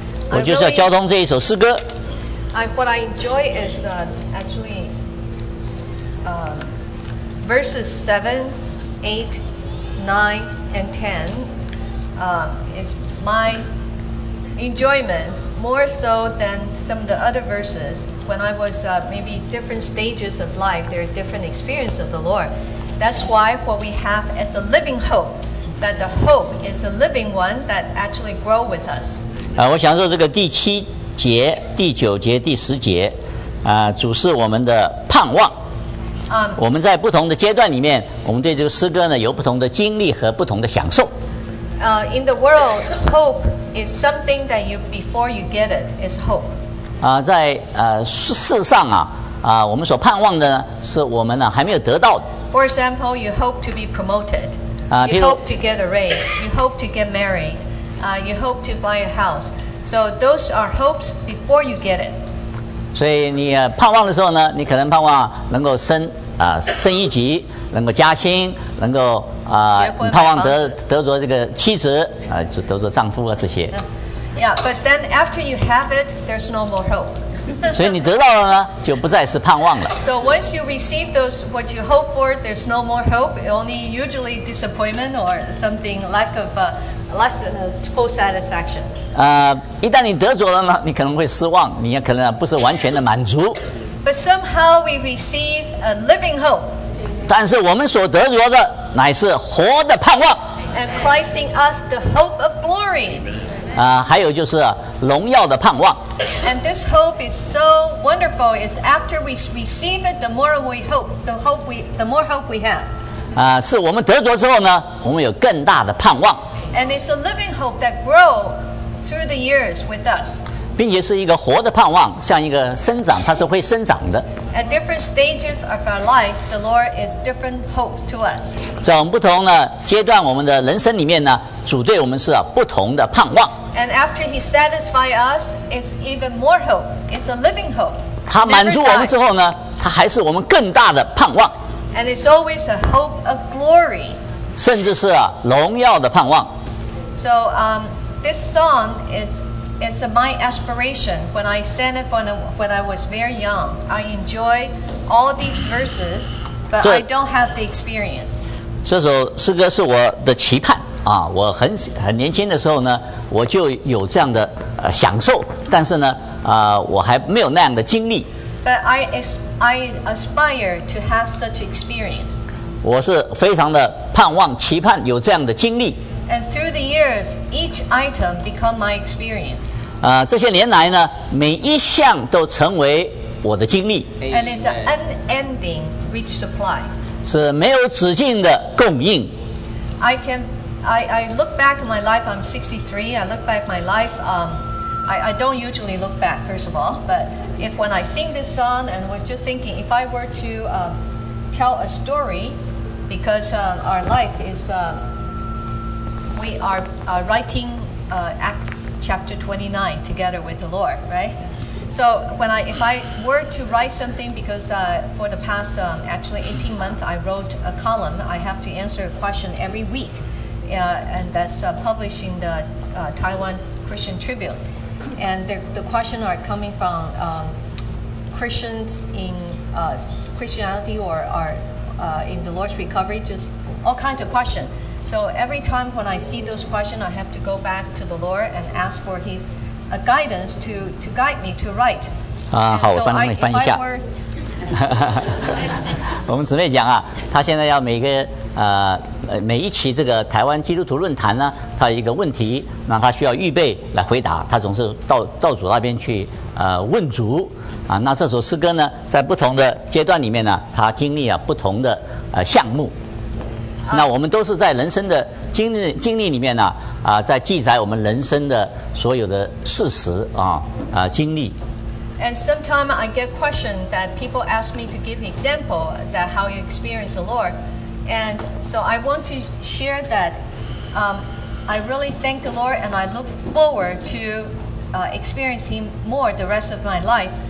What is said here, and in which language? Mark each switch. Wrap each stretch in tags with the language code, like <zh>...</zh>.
<zh>我就是要交通这一首诗歌。</zh> <en>What I enjoy is actually verses 7, 8, 9, and 10 is my enjoyment more so than some of the other verses. When I was maybe different stages of life, there are different experiences of the Lord. That's why what we have is a living hope, that the hope is a living one that actually grow with us.</en> <zh>我想说这个第七节、第九节、第十节，主是我们的盼望。我们在不同的阶段里面，我们对这个诗歌呢有不同的经历和不同的享受。</zh> <en>In the world, hope is something that you before you get it is hope.</en> <zh>在世上我们所盼望的呢是我们呢还没有得到的。</zh> <en>For example, you hope to be promoted. You hope to get a raise. You hope to get married. You hope to buy a house. So those are hopes before you get it.</en> <zh>所以你盼望的时候呢，你可能盼望能够升一级，能够加薪，能够盼望得着这个妻子，得着丈夫啊这些。</zh> <en>Yeah, but then after you have it, there's no more hope.</en> <zh>所以你得到了呢，就不再是盼望了。</zh> <en>So once you receive those what you hope for, there's no more hope. Only usually disappointment or something lack of less than a full satisfaction.</en> <zh>一旦你得着了呢，你可能会失望，你也可能不是完全的满足。</zh> <en>But somehow we receive a living hope.</en> <zh>但是我们所得着的乃是活的盼望。</zh> <en>And Christ in us the hope of glory.</en> <zh>还有就是荣耀的盼望。</zh> <en>And this hope is so wonderful. It's after we receive it, the more we hope, the more hope we have.</en> <zh>是我们得着之后呢，我们有更大的盼望。</zh> <en>And it's a living hope that grows through the years with us.</en> <zh>并且是一个活的盼望，像一个生长，它是会生长的。</zh> <en>At different stages of our life, the Lord is different hope to us. 在我们不同的阶段，我们的人生里面呢，主对我们是不同的盼望。 And after He satisfy us, it's even more hope. It's a living hope.</en> <zh>他满足我们之后呢，他还是我们更大的盼望。</zh> <en>And it's always a hope of glory.</en> <zh>甚至是荣耀的盼望。</zh> <en>So, this song is. It's my aspiration. When I sang it when I was very young, I enjoy all these verses, but I don't have the experience.</en> <zh>这首诗歌是我的期盼啊！我很年轻的时候呢，我就有这样的享受，但是呢，我还没有那样的经历。</zh> <en>But I aspire to have such experience.</en> <zh>我是非常的盼望、期盼有这样的经历。</zh> <en>And through the years, each item become my experience.</en> <zh>这些年来呢，每一项都成为我的经历。</zh> <en>And it's an unending rich supply.</en> <zh>是没有止境的供应。</zh> <en>I look back at my life. I'm 63. I look back at my life. I don't usually look back, first of all. But if when I sing this song and was just thinking, if I were to tell a story, because our life is. We are writing Acts chapter 29 together with the Lord, right? So if I were to write something, because for the past actually 18 months, I wrote a column. I have to answer a question every week, and that's published in the Taiwan Christian Tribune. And the questions are coming from Christians in Christianity or are in the Lord's recovery, just all kinds of questions. So every time when I see those questions, I have to go back to the Lord and ask for His guidance to guide me to write. So if I were</en> <zh>我们姊妹讲啊，他现在要每个每一期这个台湾基督徒论坛呢，他有一个问题，那他需要预备来回答，他总是到主那边去问主啊。那这首诗歌呢，在不同的阶段里面呢，他经历了不同的项目。那我们都是在人生的经历里面呢，在记载我们人生的所有的事实经历。</zh> <en>And sometimes I get questions that people ask me to give example that how you experience the Lord. And so I want to share that I really thank the Lord and I look forward to experience Him more the rest of my life.</en>